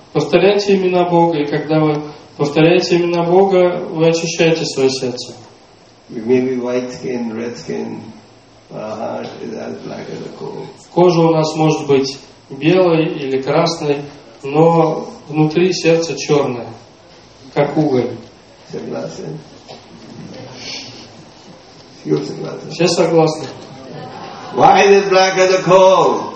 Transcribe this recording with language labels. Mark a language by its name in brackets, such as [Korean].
[Russian] Повторяйте имена Бога, и когда вы повторяете имена Бога, вы очищаете свое сердце. [English] We may be white skin, red skin, but our heart is as black as a coal. [Russian] Кожа у нас может быть белой или красной, но внутри сердце черное, как уголь. Согласен? Все согласны? [English] Why is it black as a coal?